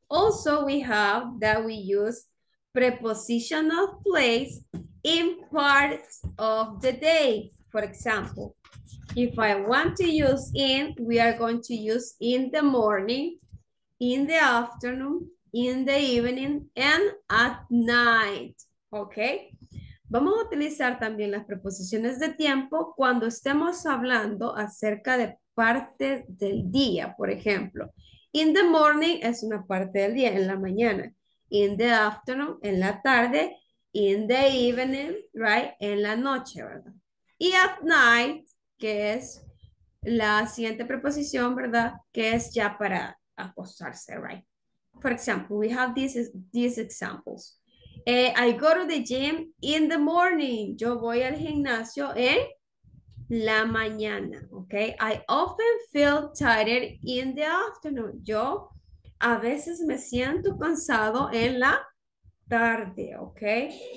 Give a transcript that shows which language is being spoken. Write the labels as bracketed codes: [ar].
[en] Also, we have that we use preposition of place in parts of the day. For example, if I want to use in, we are going to use in the morning, in the afternoon, in the evening, and at night. Okay? [es] Vamos a utilizar también las preposiciones de tiempo cuando estemos hablando acerca de parte del día, por ejemplo. [en] In the morning [es] es una parte del día, en la mañana. [en] In the afternoon, [es] en la tarde. [en] In the evening, right? [es] En la noche, ¿verdad? Y [en] at night, [es] que es la siguiente preposición, ¿verdad? Que es ya para acostarse, [en] right? For example, we have these examples. I go to the gym in the morning. [es] Yo voy al gimnasio en la mañana, okay? [en] I often feel tired in the afternoon. [es] Yo a veces me siento cansado en la tarde, okay?